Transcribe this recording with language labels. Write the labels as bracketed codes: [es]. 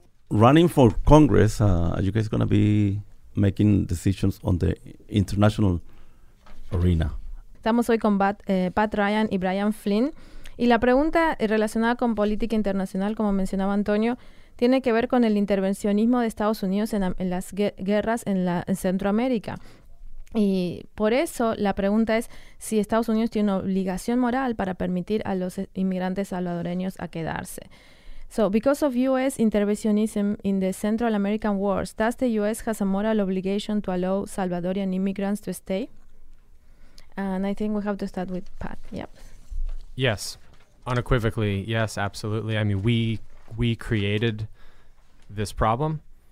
[en] Running for Congress, are you guys going to be making decisions on the international arena? [es] Estamos hoy con Pat Ryan y Brian Flynn. Y la pregunta relacionada con política internacional, como mencionaba Antonio, tiene que ver con el intervencionismo de Estados Unidos en las guerras en Centroamérica. Y por eso la pregunta es si Estados Unidos tiene una obligación moral para permitir a los inmigrantes salvadoreños a quedarse. [en] So, because of U.S. interventionism in the Central American wars, does the U.S. has a moral obligation to allow Salvadorian immigrants to stay? And I think we have to start with Pat. Yep. Yes, unequivocally, yes, absolutely. I mean, we created this problem.